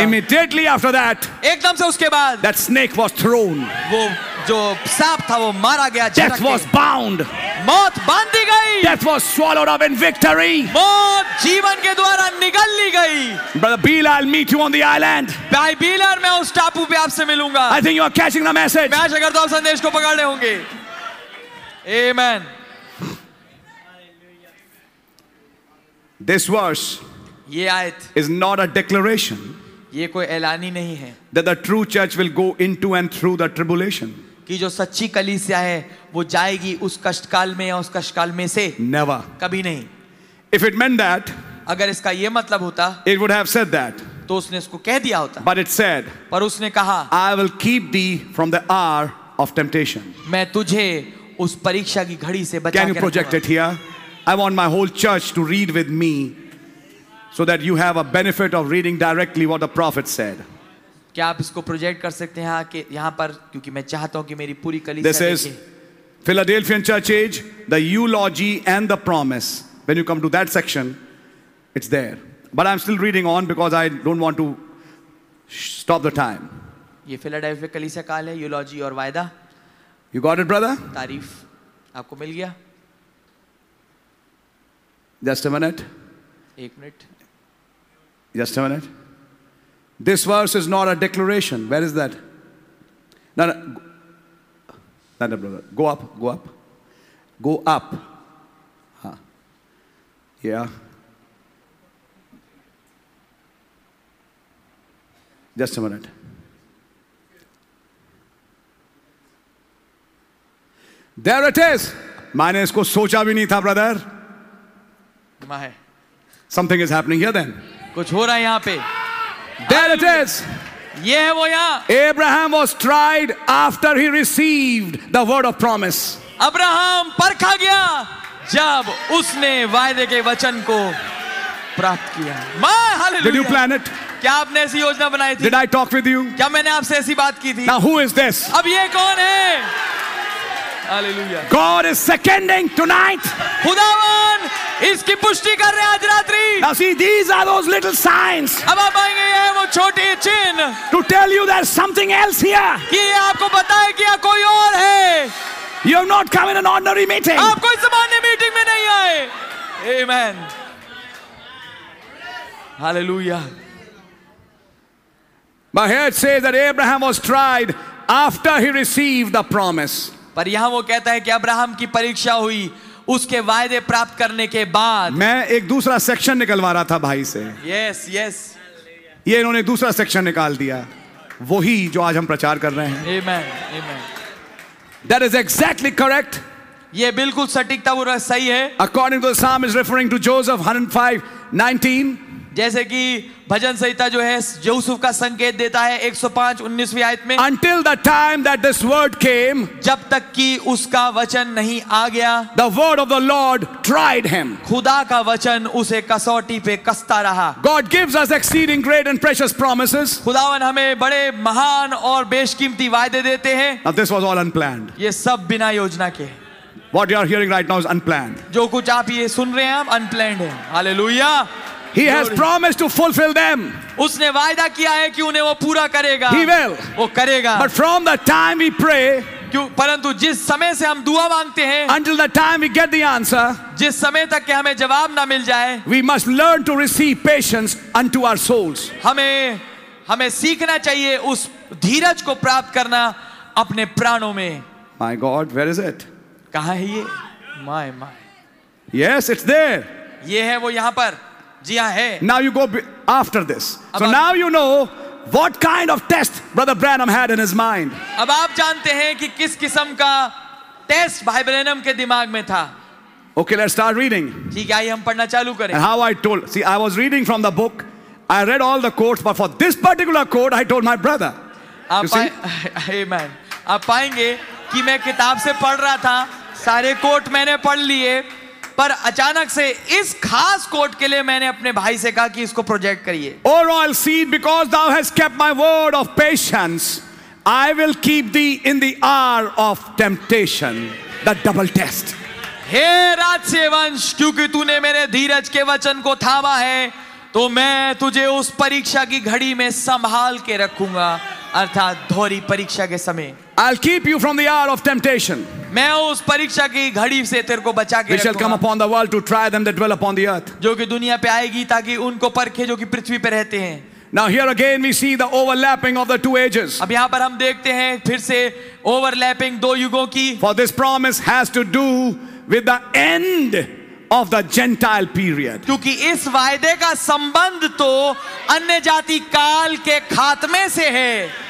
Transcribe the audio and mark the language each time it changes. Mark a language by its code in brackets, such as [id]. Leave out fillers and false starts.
[en] Immediately after that, [hi] एकदम से उसके बाद, [en] that snake was thrown. [hi] वो जो सांप था वो मारा गया. [en] Death was bound. [hi] मौत बांधी गई. [en] Death was swallowed up in victory. [hi] मौत जीवन के द्वारा निगल ली गई. [en] Brother Bilal, I'll meet you on the island. [hi] भाई बीलर, मैं उस टापू पे आपसे मिलूंगा. [en] I think you are catching the message. [hi] मैं अगर तो आप संदेश को पकड़ने होंगे. [en] Amen. This verse, [hi] ये आयत, [en] is not a declaration. [hi] ये कोई ऐलानी नहीं है. [en] That the true church will go into and through the tribulation. [hi] कि जो सच्ची कलीसिया है वो जाएगी उस कष्टकाल में या उस कष्टकाल में से. [en] Never. [hi] कभी नहीं. [en] If it meant that, [hi] अगर इसका ये मतलब होता, [en] it would have said that. [hi] तो उसने इसको कह दिया होता. [en] But it said. [hi] पर उसने कहा, [en] I will keep thee from the hour of temptation. [hi] मैं तुझे उस परीक्षा की घड़ी से बचा के. [en] Can you project it here? I want my whole church to read with me, so that you have a benefit of reading directly what the prophet said. [hi] क्या आप इसको project कर सकते हैं कि यहाँ पर, क्योंकि मैं चाहता हूँ कि मेरी पूरी कलीसिया देखे. [en] This is Philadelphian Church Age, the eulogy and the promise. When you come to that section, it's there. But I'm still reading on because I don't want to stop the time. [hi] ये Philadelphia कलीसिया काल है, eulogy और वायदा. [en] You got it, brother? [hi] तारीफ आपको मिल गया. [en] Just a minute. [hi] एक minute. [en] Just a minute. This verse is not a declaration. Where is that? No, brother. Go up. Huh. Yeah. Just a minute. There it is. [hi] मैंने इसको सोचा भी नहीं था, brother. [en] Something is happening here then. [hi] कुछ हो रहा है यहाँ पे. [en] There it is. [hi] ये है वो यहाँ. [en] Abraham was tried after he received the word of promise. [hi] Abraham परखा गया जब उसने वायदे के वचन को प्राप्त किया. [en] My hallelujah. Did you plan it? [hi] क्या आपने ऐसी योजना बनाई थी? [en] Did I talk with you? [hi] क्या मैंने आपसे ऐसी बात की थी? [en] Now who is this? [hi] अब ये कौन है? Hallelujah. [en] God is seconding tonight. [hi] खुदावन इसकी पुष्टि कर रहे आज रात्रि. [en] Now see, these are those little signs. [hi] अब आप आएंगे ये वो छोटे चिन्ह. [en] To tell you there's something else here. [hi] कि ये आपको बताए कि यहाँ कोई और है. [en] You have not come in an ordinary meeting. [hi] आप कोई सामान्य मीटिंग में नहीं आए. [en] Amen. Hallelujah. But here it says that Abraham was tried after he received the promise. [hi] पर यहां वो कहता है कि अब्राहम की परीक्षा हुई उसके वायदे प्राप्त करने के बाद. मैं एक दूसरा सेक्शन निकलवा रहा था भाई से. [en] Yes yes. [hi] ये इन्होंने दूसरा सेक्शन निकाल दिया, वही जो आज हम प्रचार कर रहे हैं. आमेन आमेन. [en] That is exactly correct. [hi] ये बिल्कुल सटीकता पूर्वक सही है. [en] According to the psalm is referring to Joseph 105:19. [hi] जैसे कि भजन संहिता जो है यूसुफ का संकेत देता है 105:19 आयत में, [en] Until the time that this word came, [hi] जब तक कि उसका वचन नहीं आ गया, [en] the word of the Lord tried him. [hi] खुदा का वचन उसे कसौटी पे कसता रहा. [en] God gives us exceeding great and precious promises. [hi] खुदावन हमें बड़े महान और बेशकीमती वायदे देते हैं. [en] Now this was all unplanned. [hi] ये सब बिना योजना के. [en] What you are hearing right now is unplanned. [hi] जो कुछ आप ये सुन रहे हैं unplanned है. [en] Hallelujah. He has promised to fulfill them. [hi] उसने वायदा किया है कि उन्हें वो पूरा करेगा. [en] He will. [hi] वो करेगा. [en] But from the time we pray, [hi] परंतु जिस समय से हम दुआ मांगते हैं, [en] until the time we get the answer, [hi] जिस समय तक कि हमें जवाब ना मिल जाए, [en] we must learn to receive patience unto our souls. [hi] हमें सीखना चाहिए उस धीरज को प्राप्त करना अपने प्राणों में. [en] My God, where is it? [hi] कहाँ है ये? My. [en] Yes, it's there. [hi] ये है वो यहाँ पर. [en] Now you go after this. So now you know what kind of test Brother Branham had in his mind. [hi] अब आप जानते हैं कि किस किस्म का टेस्ट भाई ब्रैनम के दिमाग में था. [en] Okay, let's start reading. [hi] ठीक है, हम पढ़ना चालू करें. [en] And how I told, see, I was reading from the book. I read all the quotes, but for this particular quote, I told my brother. Amen. [hi] आप पाएंगे कि मैं किताब से पढ़ रहा था. सारे कोट मैंने पढ़ लिए. पर अचानक से इस खास कोट के लिए मैंने अपने भाई से कहा कि इसको प्रोजेक्ट करिए. [en] O royal seed, because thou has kept my word of patience, I will keep thee in the hour of temptation, the double test. [hi] हे राजसेवंश, क्योंकि तूने मेरे धीरज के वचन को थामा है, तो मैं तुझे उस परीक्षा की घड़ी में संभाल के रखूंगा, अर्थात धोरी परीक्षा के समय. [en] I'll keep you from the hour of temptation. [hi] मैं उस परीक्षा की घड़ी से तेरे को बचा के. [en] We shall come upon the world to try them that dwell upon the earth. [hi] जो कि दुनिया पे आएगी ताकि उनको परखे जो कि पृथ्वी पे रहते हैं. [en] Now here again we see the overlapping of the two ages. [hi] अब यहाँ पर हम देखते हैं फिर से overlapping दो युगों की. [en] For this promise has to do with the end of the Gentile period. [hi] क्योंकि इस वायदे का संबंध तो अन्य जाति काल के खात्मे से है.